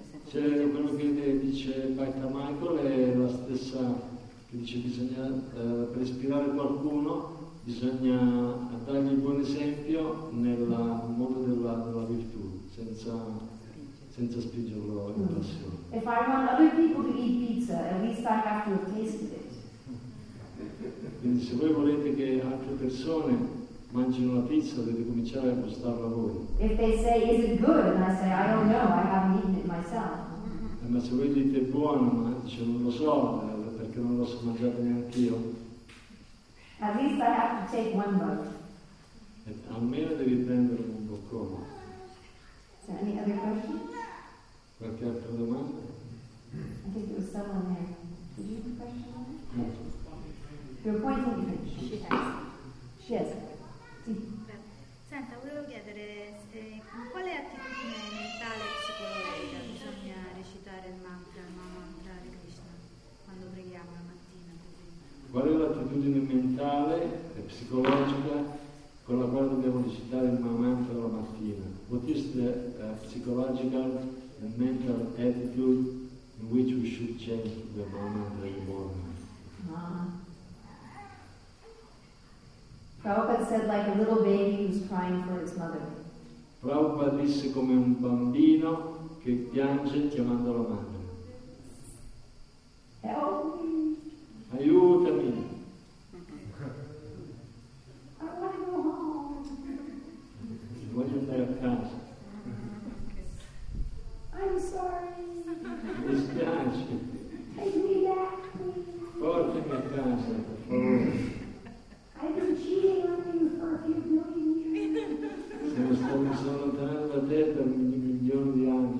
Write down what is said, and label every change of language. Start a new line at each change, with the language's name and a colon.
Italian: C'è quello che dice Baita Michael, è la stessa che dice bisogna per ispirare qualcuno bisogna dargli il buon esempio nel modo della virtù, senza spingerlo in passione.
English: If I want other people to eat pizza, at least I have to have tasted it.
Italian: Quindi se voi volete che altre persone mangiano la pizza, dovete cominciare a gustarla voi.
English: If they say, is it good? And I say, I don't know, I haven't eaten it myself.
Italian: Ma se voi dite buono, ma dice, non lo so, perché non l'ho mangiata neanche io.
English: At least I have to take one bite.
Italian: Almeno devi prendere un boccone.
English: Is there any other question?
Italian: Qualche altra domanda?
English: I think it was someone there. Did you have a question? No. You're pointing to me. She has.
Italian: Sì. Senta, volevo chiedere con quale attitudine mentale e psicologica bisogna recitare il mantra, Mama Hare Krishna, quando preghiamo la mattina? Qual è l'attitudine mentale e psicologica con la quale dobbiamo recitare il mantra la mattina?
English: What is the psychological and mental attitude in which we should change the mantra in the morning? Mama. Prabhupada said like a little baby who's crying for its mother.
Italian: Prabhupada disse come un bambino che piange chiamando la madre.
English: Help me.
Italian: Aiutami.
English: I want to go home.
Italian: Voglio andare a casa.
English: I'm sorry.
Italian: Mi dispiace.
English: Take me back, please.
Italian: Portami a casa, per favore.
English: I've been cheating on you for a few million years.
Italian: Se mi sono lontanato da te per milioni di anni.